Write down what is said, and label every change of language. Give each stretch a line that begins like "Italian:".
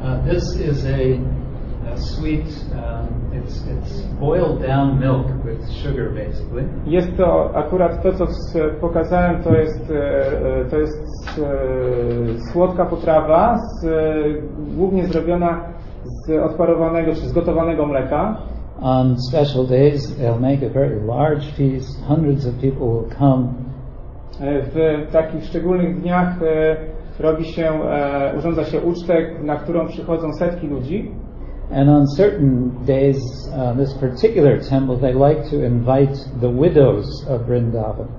English: This is a sweet, it's boiled down milk with sugar, basically.
Polish: Jest to akurat to, co pokazałem, to jest słodka potrawa, głównie zrobiona z odparowanego czy zgotowanego mleka.
English: On special days they'll make a very large feast. Hundreds of people will come.
Polish: W takich szczególnych dniach robi się, urządza się ucztę, na którą przychodzą setki ludzi.
English: And on certain days, this particular temple, they like to invite the widows of Vrindavan.